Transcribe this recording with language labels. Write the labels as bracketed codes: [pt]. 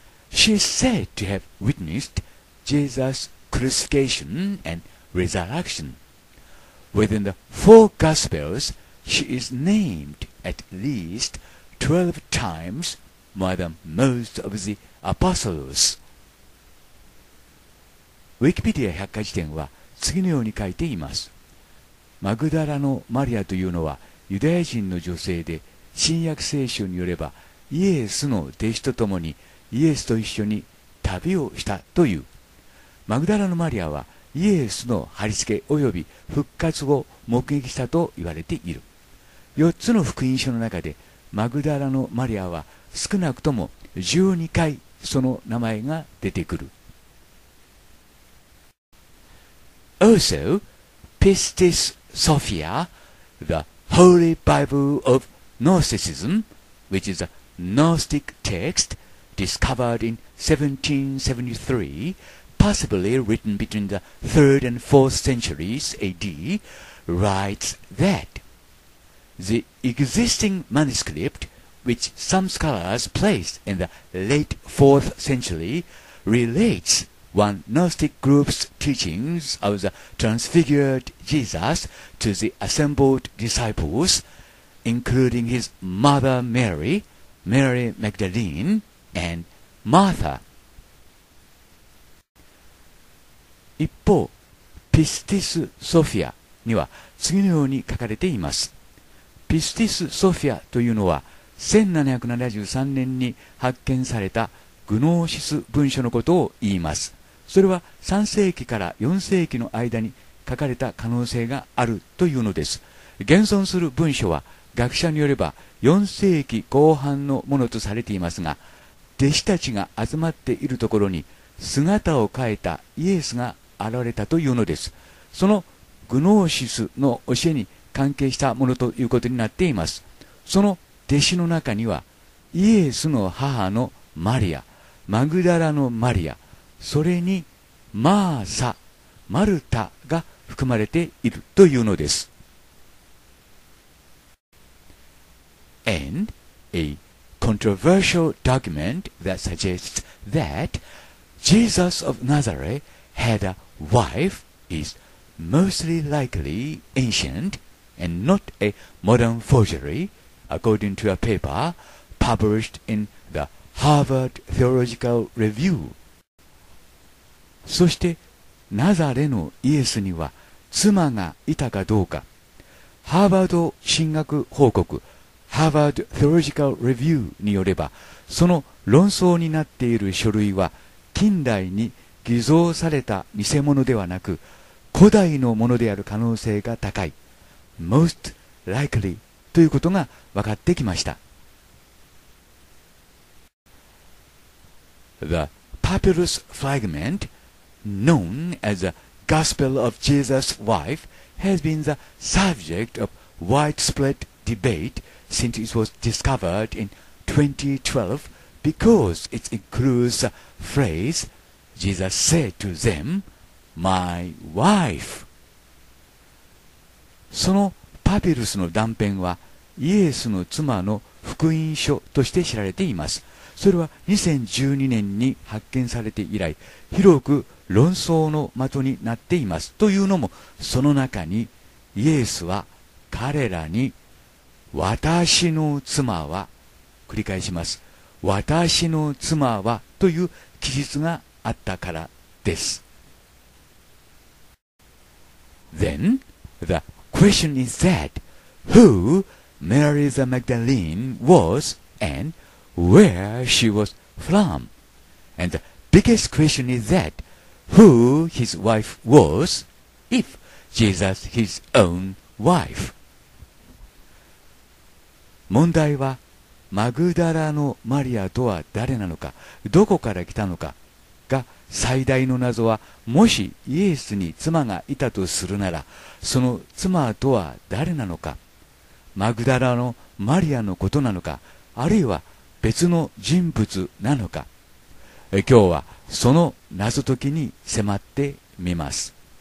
[en] She is said to have witnessed Jesus' crucifixion andResurrection. Within the four Gospels, she is named at least 12 times more than most of the apostles. [ja] Wikipedia 百科事典は次のように書いています。マグダラのマリアというのはユダヤ人の女性で、新約聖書によればイエスの弟子とともにイエスと一緒に旅をしたという。マグダラのマリアはイエスの貼り付け及び復活を目撃したと言われている。 4つの福音書の中でマグダラのマリアは少なくとも12回その名前が出てくる。 [en] Also, Pistis Sophia, the Holy Bible of Gnosticism, which is a Gnostic text discovered in 1773,possibly written between the 3rd and 4th centuries AD, writes that the existing manuscript, which some scholars placed in the late 4th century, relates one Gnostic group's teachings of the transfigured Jesus to the assembled disciples, including his mother Mary, Mary Magdalene, and Martha. [ja] 一方、ピスティス・ソフィアには次のように書かれています。ピスティス・ソフィアというのは、1773年に発見されたグノーシス文書のことを言います。それは3世紀から4世紀の間に書かれた可能性があるというのです。現存する文書は、学者によれば4世紀後半のものとされていますが、弟子たちが集まっているところに姿を変えたイエスが現れたというのです。そのグノーシスの教えに関係したものということになっています。その弟子の中にはイエスの母のマリア、マグダラのマリア、それにマーサ、マルタが含まれているというのです。 [en] And a controversial document that suggests that Jesus of Nazareth had aWife is mostly likely ancient and not a modern forgery, according to a paper published in the Harvard Theological Review. [ja] そしてナザレのイエスには妻がいたかどうか、ハーバード神学報告、ハーバード・テオロジカル・レビューによれば、その論争になっている書類は近代に偽造された偽物ではなく古代のものである可能性が高い、 [en] Most likely [ja] ということが分かってきました。 [en] The papyrus fragment known as the Gospel of Jesus' wife has been the subject of widespread debate since it was discovered in 2012 because it includes the phrase Jesus said to them, My wife. [ja] そのパピルスの断片はイエスの妻の福音書として知られています。それは2012年に発見されて以来広く論争の的になっています。というのもその中にイエスは彼らに私の妻は、繰り返します、私の妻はという記述があったからです。 [en] Then the question is that who Mary the Magdalene was and where she was from, and the biggest question is thatwho his wife was, if Jesus his own wife. [ja] 問題はマグダラのマリアとは誰なのか、どこから来たのかが最大の謎は、もしイエスに妻がいたとするならその妻とは誰なのか、マグダラのマリアのことなのか、あるいは別の人物なのか、今日はその謎解きに迫ってみます。